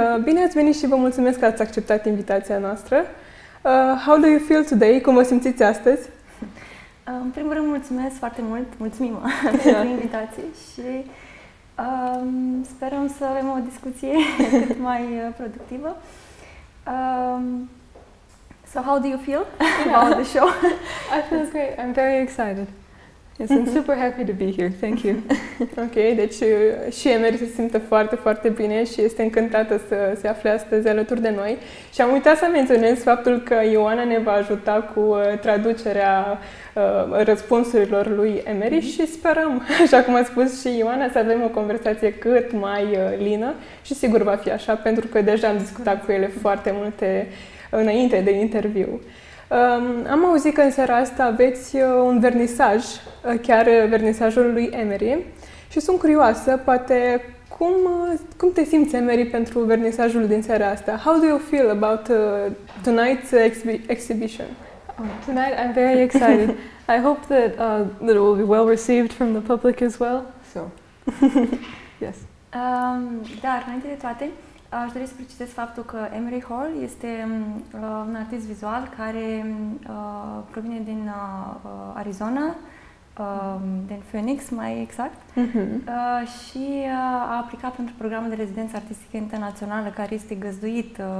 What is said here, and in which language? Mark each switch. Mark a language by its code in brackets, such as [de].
[ro] Bine ați venit și vă mulțumesc că ați acceptat invitația noastră. [en] How do you feel today? [ro] Cum vă simțiți astăzi? În primul rând, mulțumesc foarte mult! Mulțumim pentru invitație și sperăm să avem o discuție cât mai productivă. [en] So how do you feel about the show? I feel great. I'm very excited. Yes, I'm super happy to be here. Thank you. [ro] Ok, deci și Emery se simte foarte, foarte bine și este încântată să se afle astăzi alături de noi. Și am uitat să menționez faptul că Ioana ne va ajuta cu traducerea răspunsurilor lui Emery și sperăm, așa cum a spus și Ioana, să avem o conversație cât mai lină și sigur va fi așa, pentru că deja am discutat cu ele foarte multe înainte de interviu. Am auzit că în seara asta aveți un vernisaj, chiar vernisajul lui Emery, și sunt curioasă, poate, cum te simți, Emery, pentru vernisajul din seara asta? [en] How do you feel about tonight's exhibition? Tonight I'm very excited. I hope that it will be well received from the public as well. So. Yes. [ro] Dar înainte de toate, aș dori să precizez faptul că Emery Hall este un artist vizual care provine din Arizona, din Phoenix, mai exact, și a aplicat pentru programul de rezidență artistică internațională care este găzduit